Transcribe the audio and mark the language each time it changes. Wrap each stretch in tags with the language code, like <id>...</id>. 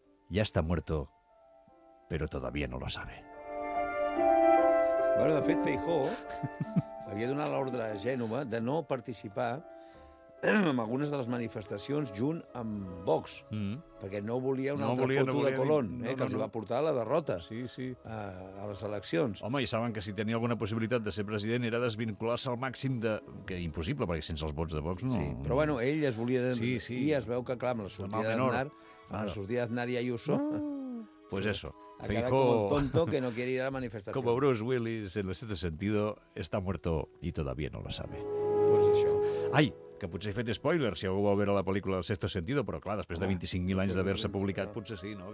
<es>Ya está muerto, pero todavía no lo sabe.</es> <ca>Bueno, de fet, Feijó havia donat l'ordre a Gènova de no participar en algunes de les manifestacions junt amb Vox, perquè no volia una altra foto de Colón, que els va portar a la derrota a les eleccions. Home, i saben que si tenia alguna possibilitat de ser president era desvincular-se al màxim de... Que impossible, perquè sense els vots de Vox no... Sí, però bueno, ell es volia... I es veu que, clar, amb la sortida d'Aznar... Claro. Sortir d'Aznar i Ayuso.</ca> <es>Pues eso.</es> <ca>Feijó...</ca> <es>Acaba como un tonto que no quiere ir a la manifestación. Como Bruce Willis, en el sexto sentido, está muerto y todavía no lo sabe.</es> <ca>Pues això. Ai, que potser he fet spoiler si algú vol veure la pel·lícula del sexto sentido, però clar, després de 25.000 anys d'haver-se publicat, potser sí, no?</ca>